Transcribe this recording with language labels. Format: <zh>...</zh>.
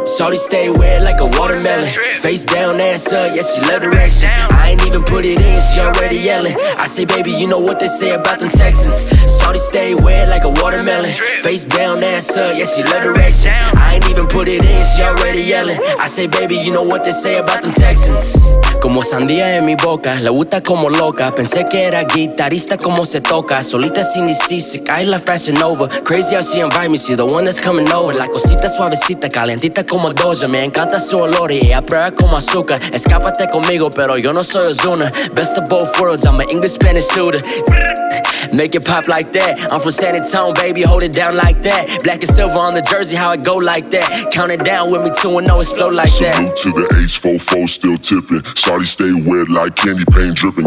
<en>Shawty stay wet like a watermelon. Face down, ass up, yeah, she love direction. I ain't even put it in, she already yelling. I say, baby, you know what they say about them Texans. Shawty stay wet like a watermelon. Face down, ass up, yeah, she love direction. I ain't even put it in, she already yelling. I say, baby, you know what they say about them Texans.</en> <es>Como sandía en mi boca, le gusta como loca. Pensé que era guitarista como se toca. Solita sin DC, se cae la fashion over.</es> <en>Crazy how she invite me, she's the one that's coming over.</en> <es>La cosita suavecita, calentita como doja. Me encanta su olor y ella prueba como azúcar. Escápate conmigo, pero yo no soy Ozuna.</es> <en>Best of both worlds, I'm an English-Spanish shooter. Make it pop like that. I'm from San Antonio, baby, hold it down like that. Black and silver on the jersey, how it go like that. Count it down with me, 2-0, explode like salute that. Salute to the H-4-4, still tipping. Shawty stay wet like candy paint dripping.</en>